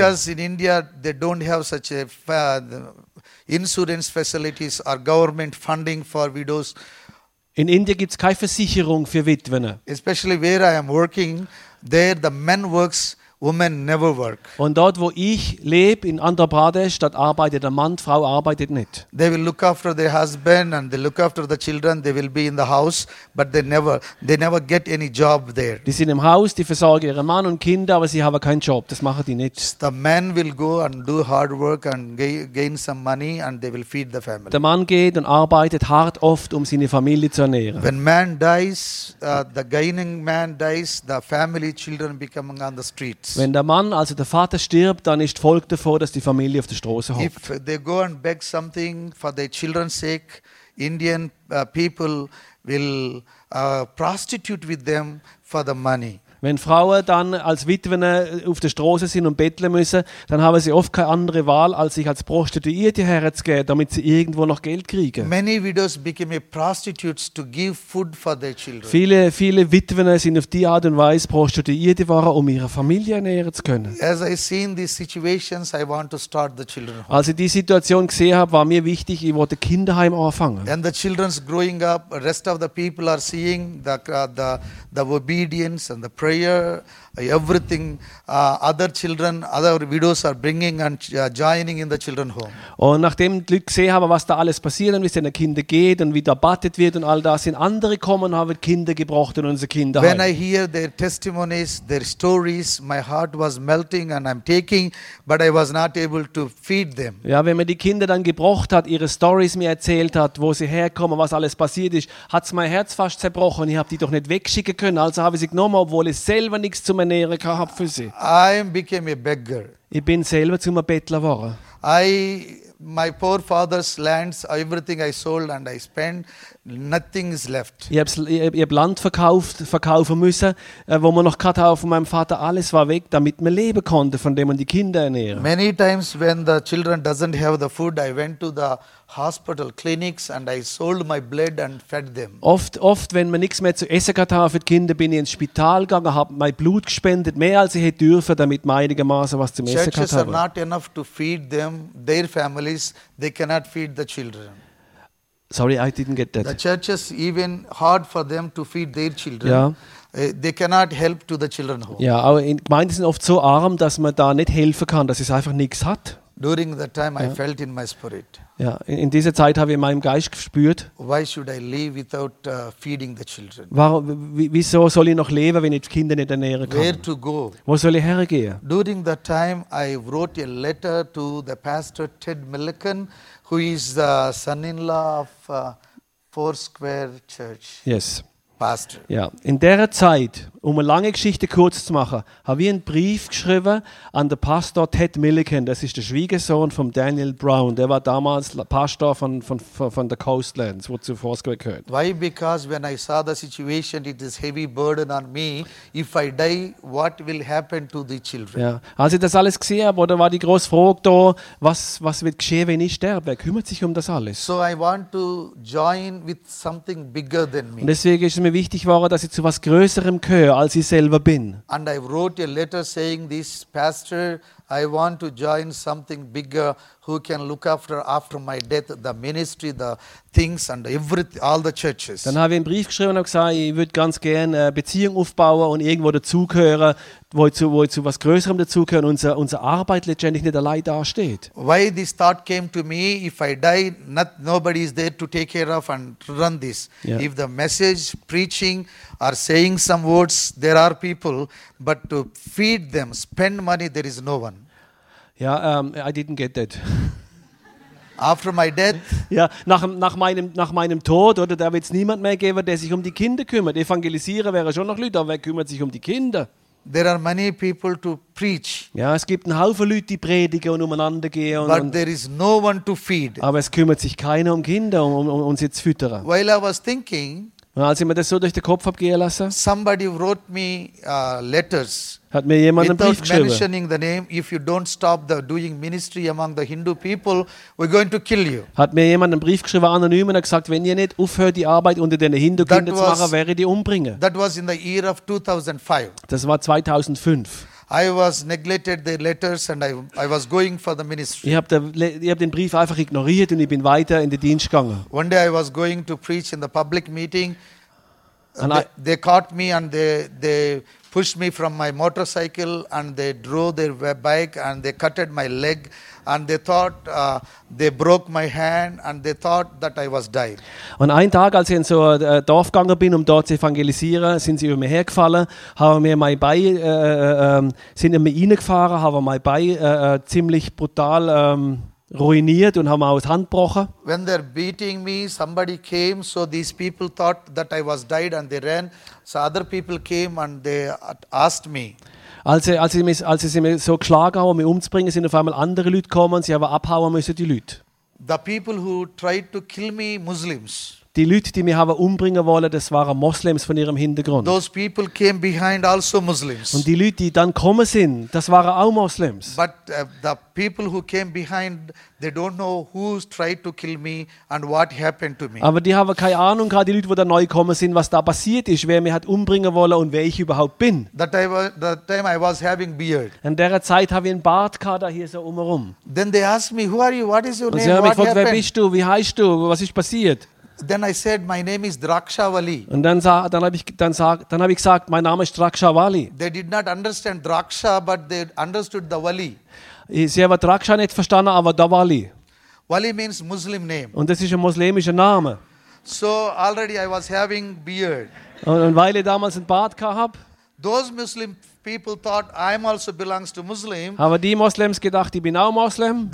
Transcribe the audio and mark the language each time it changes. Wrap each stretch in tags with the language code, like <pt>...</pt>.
<en>Because in India they don't have such a insurance facilities or government funding for widows.</en> <de>In Indien gibt's keine Versicherung für Witwen.</de> <en>Especially where I am working, there the men works. Women never work.</en> <de>Und dort, wo ich lebe, in Andhra Pradesh, dort arbeitet der Mann, Frau arbeitet nicht.</de> <en>They will look after their husband and they look after the children. They will be in the house, but they never get any job there.</en> <de>Die sind im Haus, die versorgen ihren Mann und Kinder, aber sie haben keinen Job. Das machen die nicht.</de> <en>The man will go and do hard work and gain some money and they will feed the family.</en> <de>Der Mann geht und arbeitet hart oft, um seine Familie zu ernähren.</de> <en>When man dies, the gaining man dies, the family children become on the street.</en> <de>Wenn der Mann, also der Vater, stirbt, dann ist Volk davor, dass die Familie auf der Straße hockt.</de> <en>If they go and beg something for their children's sake, Indian people will prostitute with them for the money.</en> <de>Wenn Frauen dann als Witwen auf der Straße sind und betteln müssen, dann haben sie oft keine andere Wahl, als sich als Prostituierte herzugeben, damit sie irgendwo noch Geld kriegen.</de> <en>Many widows became prostitutes to give food for their children.</en> <de>Viele, viele Witwen sind auf die Art und Weise Prostituierte geworden, um ihre Familie ernähren zu können.</de> <en>As I seen these situations, I want to start the children home.</en> <de>Als ich die Situation gesehen habe, war mir wichtig, ich wollte Kinderheim anfangen.</de> <en>And the children's growing up, the rest of the people are seeing the obedience and the prayer, everything, other children, other widows are bringing and joining in the children home.</en> <de>Und nachdem ich gesehen habe, was da alles passiert und wie es den Kindern geht und wie da betet wird und all das, sind andere gekommen und haben Kinder gebracht in unsere Kinderheim.</de> <en>When I hear their testimonies, their stories, my heart was melting and I'm taking, but I was not able to feed them.</en> <de>Ja, wenn man die Kinder dann gebracht hat, ihre Stories mir erzählt hat, wo sie herkommen, was alles passiert ist, hat es mein Herz fast zerbrochen. Ich habe die doch nicht wegschicken können, also habe ich sie genommen, obwohl ich selber nichts zum Ernähren gehabt für sie.</de> <en>I became a beggar.</en> <de>Ich bin selber zum Bettler geworden.</de> <en>My poor father's lands, everything I sold and I spent, nothing is left.</en> <de>Ich hab Land verkaufen müssen, wo man noch gehabt hat von meinem Vater, alles war weg, damit man leben konnte, von dem man die Kinder ernähren.</de> <en>Many times when the children doesn't have the food, I went to the hospital clinics and I sold my blood and fed them.</en> <de>Oft, wenn man nichts mehr zu essen gehabt hat für die Kinder, bin ich ins Spital gegangen, habe mein Blut gespendet, mehr als ich hätte dürfen, damit man einigermaßen was zum Essen gehabt hat.</de> <en>Churches are not enough to feed them, their family. families, they cannot feed the children. Sorry, I didn't get that. The churches, even hard for them to feed their children. Yeah. They cannot help to the children home.</en> <de>Ja, aber in Gemeinden sind oft so arm, dass man da nicht helfen kann, dass es einfach nichts hat.</de> <en>During that time, I felt in my spirit.</en> <de>Ja, in dieser Zeit habe ich in meinem Geist gespürt.</de> <en>Why should I live without feeding the children?</en> <de>Warum, wieso soll ich noch leben, wenn ich die Kinder nicht ernähren kann?</de> <en>Where to go?</en> <de>Wo soll ich hergehen?</de> <en>During that time, I wrote a letter to the pastor Ted Milliken, who is the son-in-law of Four Square Church. Yes. Pastor.</en> <de>Ja, in dieser Zeit, um eine lange Geschichte kurz zu machen, habe ich einen Brief geschrieben an den Pastor Ted Milliken. Das ist der Schwiegersohn von Daniel Brown. Der war damals Pastor von der Coastlands, wo zu Four Square gehört.</de> <en>Why? Because when I saw the situation, it is heavy burden on me. If I die, what will happen to the children?</en> <de>Ja, als ich das alles gesehen habe, oder war die große Frage da, was wird geschehen, wenn ich sterbe? Wer kümmert sich um das alles?</de> <en>So I want to join with something bigger than me.</en> <de>Und deswegen ist mir wichtig war, dass ich zu was Größerem gehöre, als ich selber bin.</de> <en>And I wrote a letter saying this, Pastor, I want to join something bigger, who can look after my death, the ministry, the things and all the churches.</en> <de>Dann habe ich einen Brief geschrieben und gesagt, ich würde ganz gerne eine Beziehung aufbauen und irgendwo dazugehören, wo ich zu was Größerem dazugehören, unsere Arbeit letztendlich nicht allein dasteht.</de> <en>Why this thought came to me, if I die, nobody is there to take care of and run this. Yeah. If the message, preaching or saying some words, there are people, but to feed them, spend money, there is no one. Ja, I didn't get that. After my death.</en> <de>Ja, nach meinem Tod, oder, da wird es niemand mehr geben, der sich um die Kinder kümmert. Evangelisieren wäre schon noch Leute, aber wer kümmert sich um die Kinder?</de> <en>There are many people to preach.</en> <de>Ja, es gibt einen Haufen Leute, die predigen und umeinander gehen.</de> <en>But there is no one to feed.</en> <de>Aber es kümmert sich keiner um Kinder, um sie zu füttern.</de> <en>While I was thinking.</en> <de>Und als ich mir das so durch den Kopf habe gehen lassen.</de> <en>Somebody wrote me letters.</en> <de>Hat mir jemand einen Brief geschrieben.</de> <en>Without mentioning the name, if you don't stop the doing ministry among the Hindu people, we're going to kill you.</en> <de>Hat mir jemand einen Brief geschrieben, anonym, und hat gesagt, wenn ihr nicht aufhört, die Arbeit unter den Hindu-Kindern zu machen, werde ich die umbringen.</de> <en>That was in the year of 2005.</en> <de>Das war 2005.</de> <en>I was neglected the letters and I was going for the ministry.</en> <de>Ich hab den Brief einfach ignoriert und ich bin weiter in den Dienst gegangen.</de> <en>One day I was going to preach in the public meeting. And they caught me and they pushed me from my motorcycle and they drove their bike and they cutted my leg and they thought they broke my hand and they thought that I was dying.</en> <de>Und einen Tag, als ich in so ein Dorf gegangen bin, um dort zu evangelisieren, sind sie über mir hergefallen, haben mir mein Bein sind in mir reingefahren, haben mein Bein ziemlich brutal ruiniert und haben aus Hand gebrochen.</de> <en>When they're beating me, somebody came, so these people thought that I was died and they ran. So other people came and they asked me.</en> <de>Als sie sie mir so geschlagen haben, um mich umzubringen, sind auf einmal andere Leute gekommen, sie haben abhauen müssen, die Leute.</de> <en>The people who tried to kill me, Muslims.</en> <de>Die Leute, die mich haben umbringen wollen, das waren Moslems von ihrem Hintergrund.</de> <en>Those people came behind also Muslims.</en> <de>Und die Leute, die dann gekommen sind, das waren auch Moslems.</de> <en>But the people who came behind, they don't know who tried to kill me and what happened to me.</en> <de>Aber die haben keine Ahnung gehabt, die Leute, die da neu gekommen sind, was da passiert ist, wer mich hat umbringen wollen und wer ich überhaupt bin.</de> <en>That time I was having beard.</en> <de>In der Zeit habe ich einen Bart gehabt, da hier so umherum.</de> <en>Then they asked me, who are you? What is your name?</en> <de>Und sie haben mich gefragt, wer bist du? Wie heißt du? Was ist passiert?</de> <en>Then I said, my name is Drakshavali.</en> <de>Und dann habe ich gesagt, mein Name ist Drakshavali.</de> <en>They did not understand Draksha, but they understood the Wali.</en> <de>Sie haben Draksha nicht verstanden, aber der Wali.</de> <en>Wali means Muslim name.</en> <de>Und das ist ein muslimischer Name.</de> <en>So already I was having beard.</en> <de>Und weil ich damals einen Bart gehabt.</de> <en>Those Muslim people thought I'm also belongs to Muslim.</en> <de>Haben die Moslems gedacht, ich bin auch Muslim.</de>